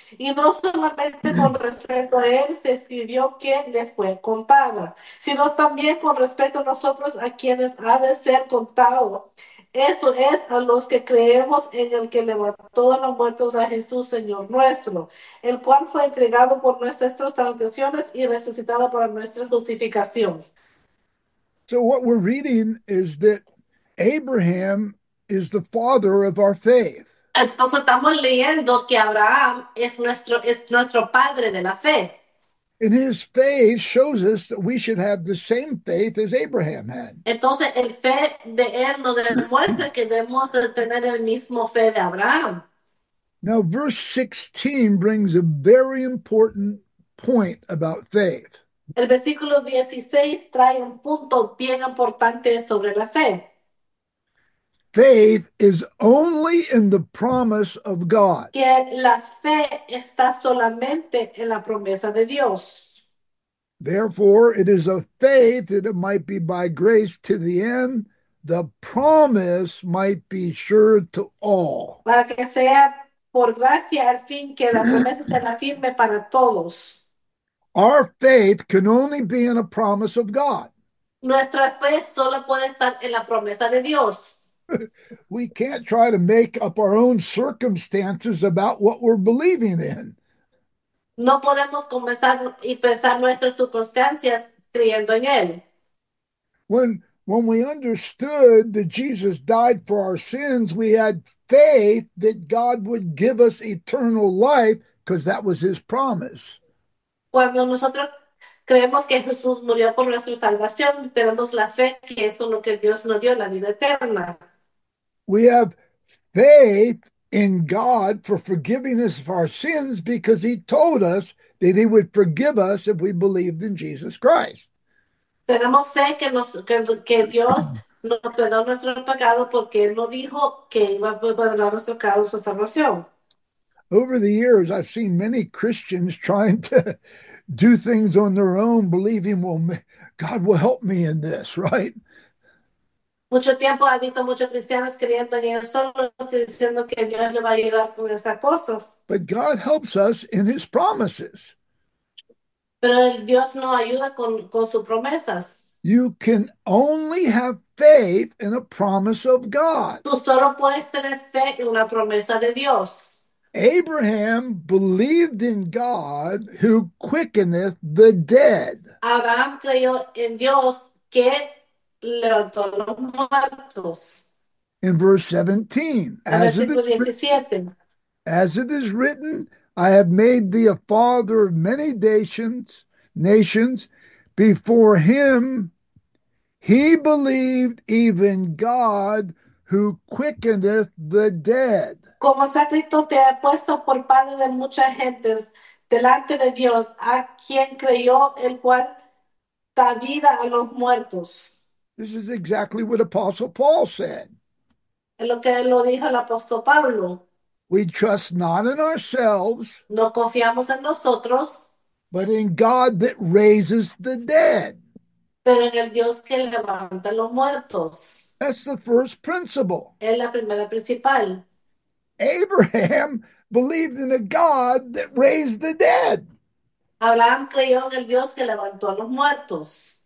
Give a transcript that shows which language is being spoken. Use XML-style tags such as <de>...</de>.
<es>Y no solamente con respecto a él se escribió que le fue contada, sino también con respecto a nosotros a quienes ha de ser contado. Eso es a los que creemos en el que levantó a los muertos a Jesús, Señor nuestro, el cual fue entregado por nuestras transgresiones y resucitado para nuestra justificación.</es> <en>So what we're reading is that Abraham is the father of our faith.</en> <es>Entonces estamos leyendo que Abraham es nuestro padre de la fe.</es> <en>And his faith shows us that we should have the same faith as Abraham had.</en> <es>Entonces, el fe de él nos demuestra que debemos de tener el mismo fe de Abraham.</es> <en>Now, verse 16 brings a very important point about faith.</en> <es>El versículo 16 trae un punto bien importante sobre la fe.</es> <en>Faith is only in the promise of God.</en> <es>Que la fe está solamente en la promesa de Dios.</es> <en>Therefore, it is of faith that it might be by grace to the end, the promise might be sure to all.</en> <es>Para que sea por gracia al fin que la promesa sea firme para todos.</es> <en>Our faith can only be in a promise of God.</en> <es>Nuestra fe solo puede estar en la promesa de Dios.</es> <en>We can't try to make up our own circumstances about what we're believing in.</en> <es>No podemos comenzar y pensar nuestras circunstancias creyendo en Él.</es> <en>When we understood that Jesus died for our sins, we had faith that God would give us eternal life because that was his promise.</en> <es>Cuando nosotros creemos que Jesús murió por nuestra salvación, tenemos la fe que eso es lo que Dios nos dio, la vida eterna.</es> <en>We have faith in God for forgiving us of our sins because he told us that he would forgive us if we believed in Jesus Christ.</en> <es>Tenemos fe que, que Dios nos perdonó nuestro pecado porque Él nos dijo que iba a perdonar nuestro pecado, nuestra salvación.</es> <en>Over the years, I've seen many Christians trying to do things on their own, believing, well, God will help me in this, right?</en> <es>Mucho tiempo ha visto muchos cristianos creyendo en Él solo, diciendo que Dios le va a ayudar con esas cosas.</es> <en>But God helps us in his promises.</en> <es>Pero el Dios no ayuda con sus promesas.</es> <en>You can only have faith in a promise of God.</en> <es>Tú solo puedes tener fe en una promesa de Dios.</es> <en>Abraham believed in God who quickeneth the dead.</en> <es>Abraham creyó en Dios que levantó los muertos.</es> <en>In verse 17,</en> <es>El versículo 17.</es> <en>as it is written, I have made thee a father of many nations before him. He believed even God who quickeneth the dead.</en> <es>Como se ha escrito, te ha puesto por padre de muchas gentes delante de Dios, a quien creyó, el cual da vida a los muertos.</es> <en>This is exactly what Apostle Paul said.</en> <es>Es lo que lo dijo el apóstol Pablo.</es> <en>We trust not in ourselves,</en> <es>No confiamos en nosotros,</es> <en>but in God that raises the dead.</en> <es>pero en el Dios que levanta a los muertos.</es> <en>That's the first principle.</en> <es>Es la primera principal.</es> <en>Abraham believed in a God that raised the dead.</en> <es>Abraham creyó en el Dios que levantó a los muertos.</es>